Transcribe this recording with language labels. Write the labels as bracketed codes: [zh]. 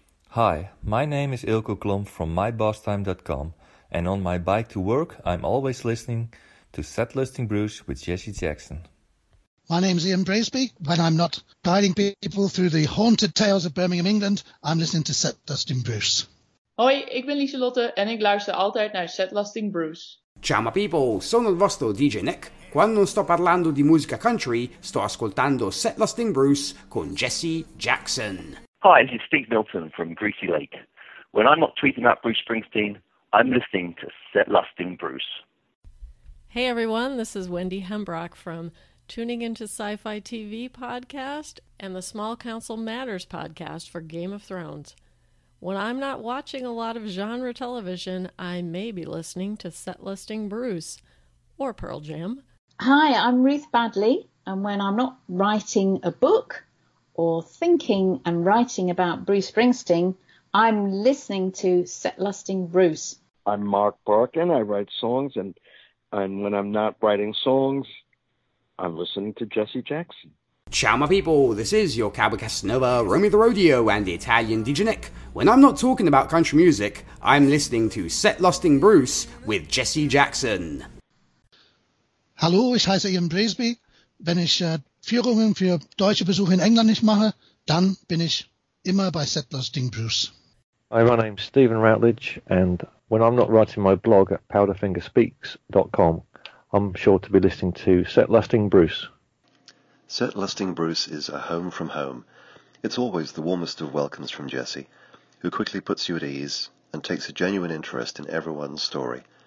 [en] Hi, my name is Ilko Klom from mybosstime.com. And on my bike to work, I'm always listening to Setlusting Bruce with Jesse Jackson. My name's Ian Braisby. When I'm not guiding people through the haunted tales of Birmingham, England, I'm listening to Setlusting Bruce. [nl] Hoi, ik ben Lieselotte en ik luister altijd naar Setlusting Bruce. [it] Ciao, [en] my people. [it] Sono il vostro DJ Nick. Quando non sto parlando di musica country, sto ascoltando Setlusting Bruce con Jesse Jackson. [en] Hi, this is Steve Milton from Greasy Lake. When I'm not tweeting about Bruce Springsteen, I'm listening to Setlusting Bruce. Hey, everyone. This is Wendy Hembrock from Tuning Into Sci-Fi TV Podcast and the Small Council Matters Podcast for Game of Thrones. When I'm not watching a lot of genre television, I may be listening to Setlusting Bruce or Pearl Jam. Hi, I'm Ruth Badley, and when I'm not writing a book or thinking and writing about Bruce Springsteen, I'm listening to Setlusting Bruce. I'm Mark Barkin. I write songs, and when I'm not writing songs, I'm listening to Jesse Jackson. Ciao, my people. This is your Cowboy Casanova, Romy the Rodeo, and the Italian DJ Nick. When I'm not talking about country music, I'm listening to Setlusting Bruce with Jesse Jackson. [de] Hallo, ich heiße Ian Braisby. Wenn ich Führungen für deutsche Besuche in England nicht mache, dann bin ich immer bei Setlusting Bruce. [en] Hi, my name's Stephen Routledge, and when I'm not writing my blog at powderfingerspeaks.com, I'm sure to be listening to Setlusting Bruce. Setlusting Bruce is a home from home. It's always the warmest of welcomes from Jesse, who quickly puts you at ease and takes a genuine interest in everyone's story.